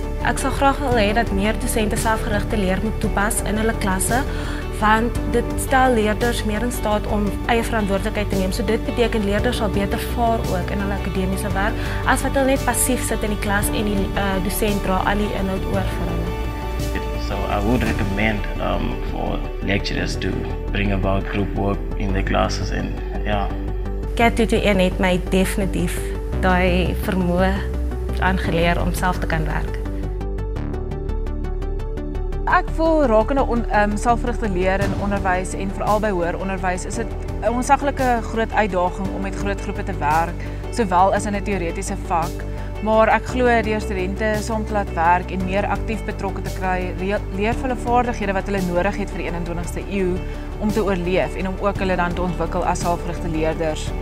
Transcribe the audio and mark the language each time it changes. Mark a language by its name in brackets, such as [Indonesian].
[Afrikaans] Ek sal graag wil hê dat meer dosente selfgerigte leer moet toepas in hulle klasse, want dit stel leerders meer in staat om eie verantwoordelikheid te neem. So dit beteken leerders sal beter vaar ook in hulle akademiese werk as wat hulle net passief sit in die klas en die dosent dra al die inhoud oor vir hulle. [English] So I would recommend for lecturers to bring about group work in their classes, and yeah. [Afrikaans] NWU het my definitief daai vermoë aangeleer om self te kan werk. Ek voel rakende selfgerigte leer in onderwys en veral by hoër onderwys is dit 'n onsaglike groot uitdaging om met groot groepe te werk, sowel as in 'n teoretiese vak. Maar ek glo deur studente saam te laat werk en meer aktief betrokke te kry, leer hulle vaardighede wat hulle nodig het vir die 21ste eeu om te oorleef en om ook hulle dan te ontwikkel as selfgerigte leerders.